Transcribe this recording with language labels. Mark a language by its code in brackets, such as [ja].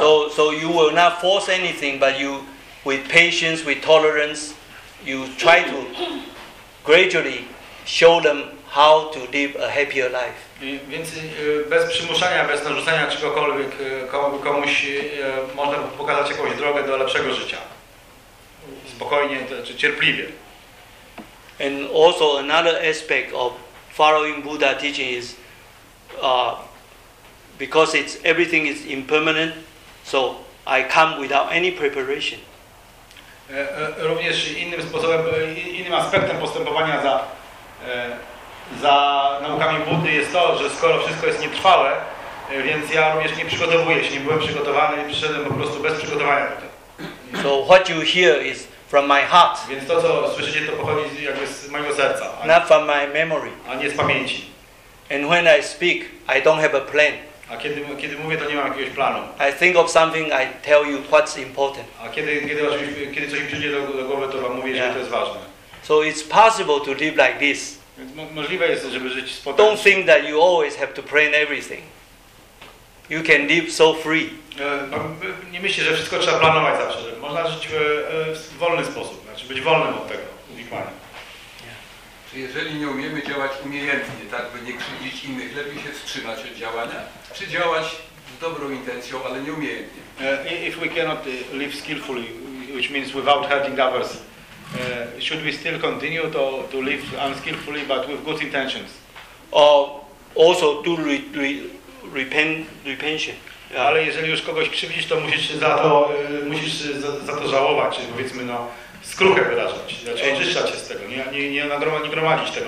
[en] So you will not force anything, but you, with patience, with tolerance, you try to gradually show them how to live a happier life. [pl] Więc bez przymuszania, bez narzucenia czegokolwiek komuś można pokazać jakąś drogę do lepszego życia. Spokojnie, czy cierpliwie. [en] And also another aspect of following Buddha teaching is because it's everything is impermanent, so I come without any preparation. [pl] Również innym sposobem, innym aspektem postępowania za naukami Buddy jest to, że skoro wszystko jest nietrwałe, więc ja również nie przygotowuję się, nie byłem przygotowany, przyszedłem po prostu bez przygotowania do tego. [en] So what you hear is from my heart. [pl] Więc to, co słyszycie, to pochodzi jakby z mojego serca, [en] not from my memory. [pl] A nie z pamięci. [en] And when I speak, I don't have a plan. [pl] A kiedy mówię, to nie mam jakiegoś planu. [en] I think of something, I tell you what's important. [pl] A kiedy coś mi przyjdzie do głowy, to wam mówię, yeah. że to jest ważne. [en] So it's possible to live like this. [pl] Możliwe jest, żeby żyć spokojnie. [en] Don't think that you always have to plan everything. You can live so free. [pl] Nie myślę, że wszystko trzeba planować zawsze. Można żyć w wolny sposób, znaczy być wolnym od tego uwikłania. Czy jeżeli nie umiemy działać umiejętnie, tak by nie krzywdzić innych, lepiej się wstrzymać od działania, czy działać z dobrą intencją, ale nie umiejętnie? [en] If we cannot live skillfully, which means without hurting others, should we still continue to live unskillfully but with good intentions? Also to repentance. Yeah. [pl] Ale jeżeli już kogoś krzywdzisz, to musisz za to żałować, czy powiedzmy no skruchę wyrażać, znaczy oczyszczać się z tego, nie gromadzić tego.